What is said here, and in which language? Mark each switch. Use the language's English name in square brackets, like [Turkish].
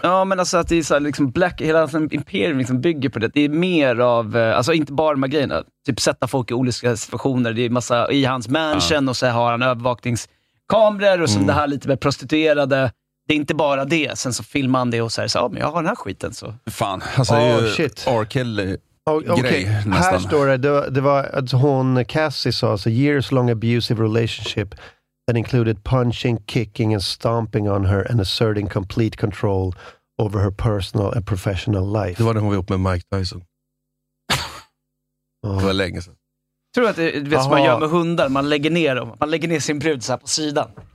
[Swedish] Ja, men alltså att det är så här, liksom black, hela alltså, imperium liksom bygger på det. Det är mer av, alltså inte bara de här grejerna, typ sätta folk i olika situationer. Det är massa i hans mansion och så har han övervakningskameror och så det här lite med prostituerade. Det är inte bara det, sen så filmar han det och säger så, men jag har den här skiten så. Fan, alltså R. Kelly. Okay. Här står det var att hon, Cassie, sa alltså, [English] years long abusive relationship that included punching, kicking and stomping on her and asserting complete control over her personal and professional life. [Swedish] Det var det hon var ihop med Mike Tyson. Det var länge sedan. Tror du att det vet som man gör med hundar? Man lägger ner dem. Man lägger ner sin brud så här på sidan.